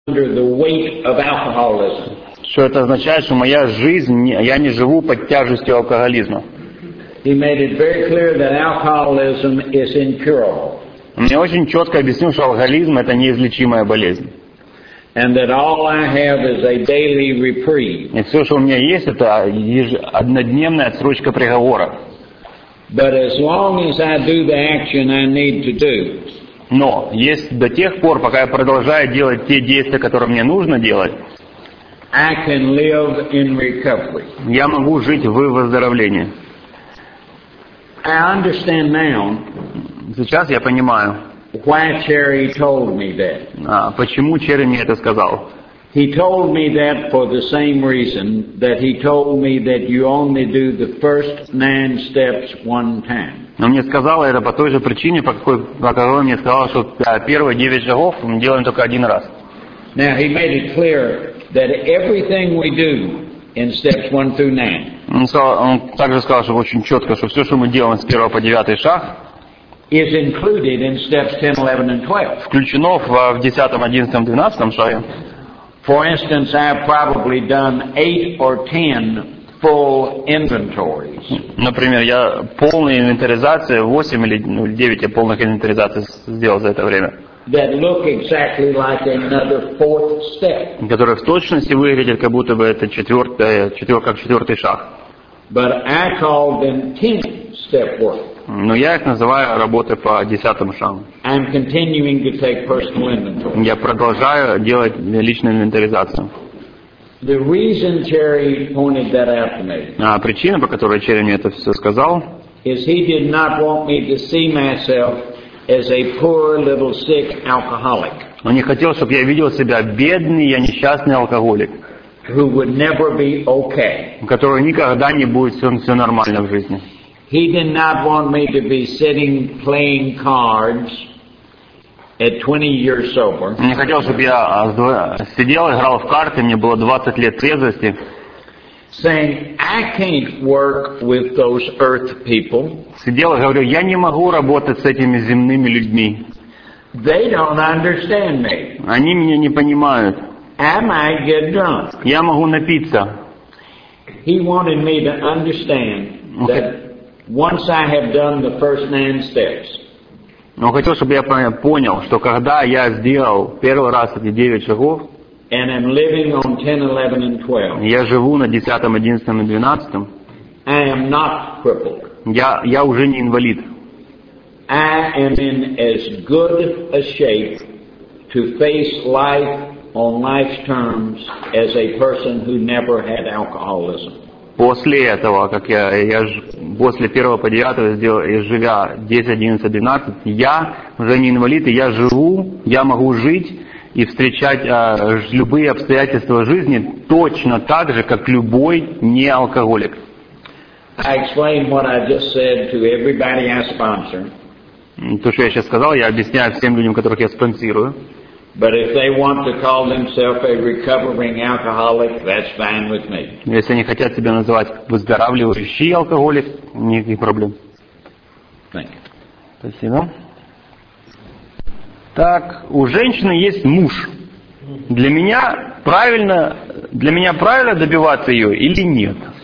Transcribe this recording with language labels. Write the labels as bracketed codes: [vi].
[en] under the weight of alcoholism. [ru] Что это означает, что моя жизнь, я не живу под тяжестью алкоголизма. [en] He made it very clear that alcoholism is incurable. [ru] Он мне очень четко объяснил, что алкоголизм — это неизлечимая болезнь. [en] And that all I have is a daily reprieve. [ru] И все, что у меня есть, это однодневная отсрочка приговора. [en] But as long as I do the action I need to do. [ru] Но есть до тех пор, пока я продолжаю делать те действия, которые мне нужно делать. [en] I can live in recovery. [ru] Я могу жить в выздоровлении. [en] I understand now. [ru] Сейчас я понимаю. [en] Why Cherry told me that? [ru] Почему Черри мне это сказал? [en] He told me that for the same reason that he told me that you only do the first 9 steps one time. [ru] Он мне сказал это по той же причине, по которой он мне сказал, что первые 9 шагов мы делаем только один раз. [en] Now he made it clear that everything we do in steps 1 through 9. [ru] Он также сказал, что очень четко, что все, что мы делаем с первого по девятый шаг, [en] is included in steps 10, 11, and 12. [ru] Включено в 10, 11, 12 шаге. [en] For instance, I've probably done 8 or 10 full inventories. [ru] Например, я полную инвентаризацию 8 или 9 полных инвентаризаций сделал за это время. [en] That look exactly like another 4th step. [ru] Которые в точности выглядят, как будто бы это четвертый шаг. [en] But I call them 10th step work. [ru] Но я их называю работой по 10 шагам. [en] I'm continuing to take personal inventory. [ru] Я продолжаю делать личную инвентаризацию. [en] The reason Cherry pointed that out to me. [ru] Причина, по которой Cherry мне это все сказал. [en] Is he did not want me to see myself as a poor little sick alcoholic. [ru] Он не хотел, чтобы я видел себя бедный, я несчастный алкоголик. [en] Who would never be okay. [ru] У которого никогда не будет все нормально в жизни. [en] He did not want me to be sitting playing cards at 20 years sober. [ru] Он не хотел, чтобы я сидел, играл в карты, мне было 20 лет трезвости. [en] Saying I can't work with those earth people. [ru] Сидел и говорю, я не могу работать с этими земными людьми. [en] They don't understand me. [ru] Они меня не понимают. [en] I might get drunk. [ru] Я могу напиться. [en] He wanted me to understand that once I have done the first 9 steps. [ru] Он хотел, чтобы я понял, что когда я сделал первый раз эти 9 шагов. [en] And I'm living on 10, 11, and 12. [ru] Я живу на 10, 11 и 12. [en] I am not crippled. [ru] Я уже не инвалид. [en] I am in as good a shape to face life on life's terms as a person who never had alcoholism. [ru] После этого, как я после первого по девятого сделал, живя 10, 11, 12, я уже не инвалид, и я живу, я могу жить и встречать любые обстоятельства жизни точно так же, как любой неалкоголик. [en] I explained what I just said to everybody I sponsor. [ru] То, что я сейчас сказал, я объясняю всем людям, которых я спонсирую. [en] But if they want to call themselves a recovering alcoholic, that's fine with me. [ru] Если они хотят себя называть выздоравливающий алкоголик, никаких проблем. [en] Thank you. [ru] Спасибо. Так, у женщины есть муж. Для меня правильно добиваться ее или нет?